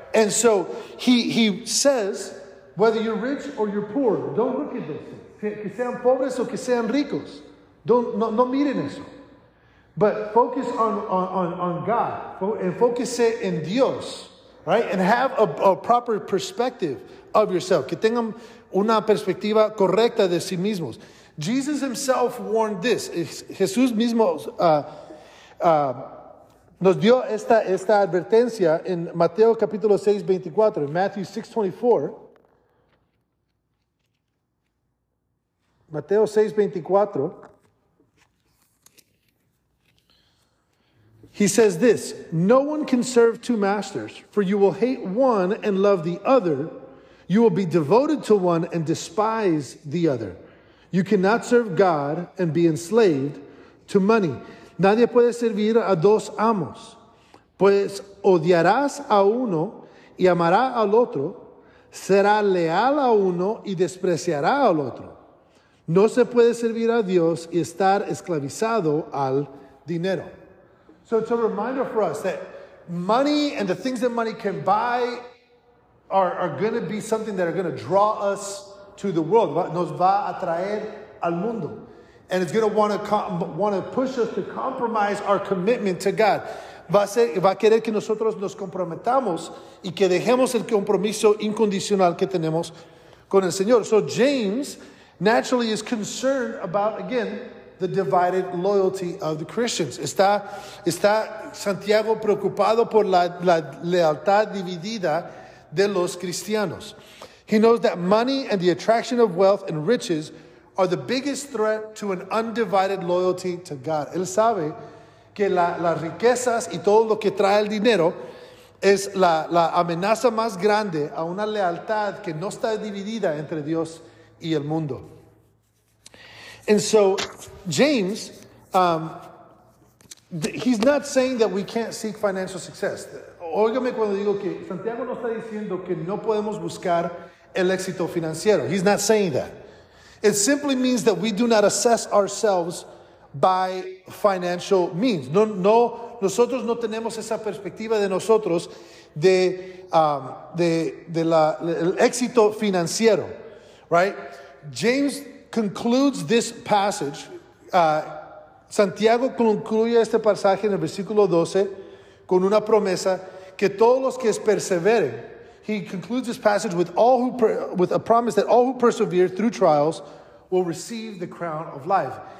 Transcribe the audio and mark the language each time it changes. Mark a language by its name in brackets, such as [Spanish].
[English] And so he says, whether you're rich or you're poor, don't look at those things. [Spanish] Que sean pobres o que sean ricos, no miren eso. [English] But focus on God, [Spanish] enfóquese en Dios, [English] right? And have a proper perspective of yourself. [Spanish] Que tengan una perspectiva correcta de sí mismos. [English] Jesus himself warned this. [Spanish] Jesús mismo nos dio esta advertencia en Mateo capítulo 6, 24, en Matthew 6, 24. Mateo 6, 24. [English] He says this: no one can serve two masters, for you will hate one and love the other. You will be devoted to one and despise the other. You cannot serve God and be enslaved to money. [Spanish] Nadie puede servir a dos amos, pues odiarás a uno y amará al otro, será leal a uno y despreciará al otro. No se puede servir a Dios y estar esclavizado al dinero. [English] So it's a reminder for us that money and the things that money can buy are going to be something that are going to draw us to the world. [Spanish] Nos va a traer al mundo. [English] And it's going to want to push us to compromise our commitment to God. [Spanish] Va a querer que nosotros nos comprometamos y que dejemos el compromiso incondicional que tenemos con el Señor. [English] So James naturally is concerned about, again, the divided loyalty of the Christians. [Spanish] Está Santiago preocupado por la lealtad dividida de los cristianos. [English] He knows that money and the attraction of wealth and riches are the biggest threat to an undivided loyalty to God. [Spanish] Él sabe que las riquezas y todo lo que trae el dinero es la amenaza más grande a una lealtad que no está dividida entre Dios y el mundo. [English] And so James, he's not saying that we can't seek financial success. [Spanish] Óigame cuando digo que Santiago no está diciendo que no podemos buscar el éxito financiero. [English] He's not saying that. It simply means that we do not assess ourselves by financial means. [Spanish] No, nosotros no tenemos esa perspectiva de nosotros el éxito financiero, right? [English] James concludes this passage, [Spanish] Santiago concluye este pasaje en el versículo 12 con una promesa que todos los que perseveren. [English] He concludes this passage with a promise that all who persevere through trials will receive the crown of life.